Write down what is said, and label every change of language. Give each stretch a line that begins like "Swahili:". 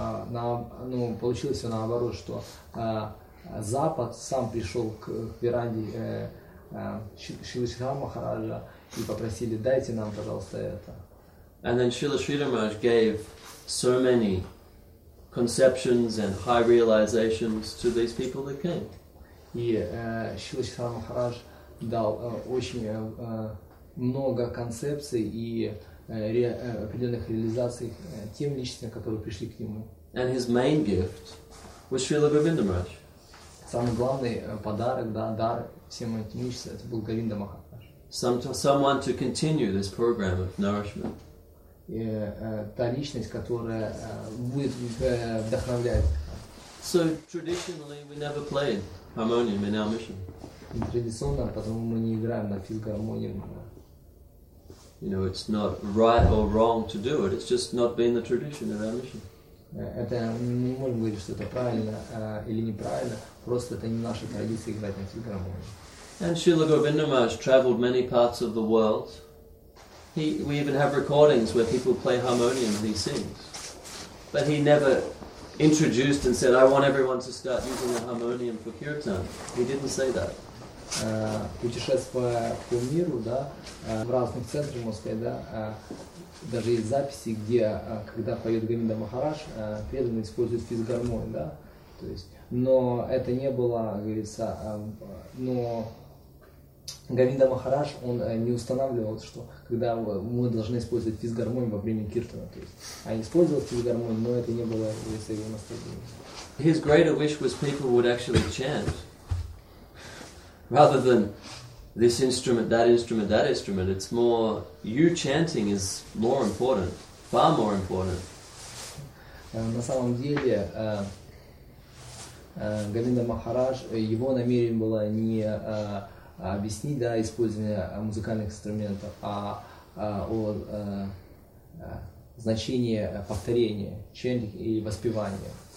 Russian: Но получилось все наоборот, что Запад сам пришел к веранде Шрила Сридхара Махараджа и попросили: дайте нам, пожалуйста, это.
English: And then Srila Sridhar Maharaj gave so many conceptions and high realizations to these people that came.
Russian: И Шрила Сридхара Махарадж дал очень много концепций и определенных реализаций тем личностям, которые пришли к нему.
English: And his main gift was Srila Govinda Maharaj.
Russian: Самый главный подарок, да, дар всем этим личностям, это был Говинда Махарадж.
English: Someone to continue this program of nourishment.
Russian: Та личность, которая будет вдохновлять.
English: So traditionally we never played harmonium in our mission.
Russian: Традиционно, потому мы не играем на физгармонии.
English: You know, it's not right or wrong to do it. It's just not been the tradition of our mission.
Russian: Это не можем говорить, что это правильно или неправильно. Просто это не наша традиция играть на физгармонии.
English: And Srila Govinda Maharaj traveled many parts of the world. We even have recordings where people play harmonium and he sings. But he never introduced and said, I want everyone to start using the harmonium for kirtan. He didn't say that.
Russian: Путешествуя по миру, да, в разных центрах, можно сказать, да, даже есть записи, где, когда поет Говинда Махарадж, преданный использует физгармонию, да, то есть, но это не было, говорится, но Говинда Махарадж, он не устанавливал, что когда мы должны использовать физгармонию во время киртана, то есть, а использовал физгармонию, но это не было, говорится, его настроение.
English: His greater wish was people would actually chant. Rather than this instrument, it's more you chanting is more important, far more important.
Russian: На самом деле, Говинда Махарадж, его намерение было не объяснить, да, использование музыкальных инструментов, а о значении повторения, chanting и воспевания.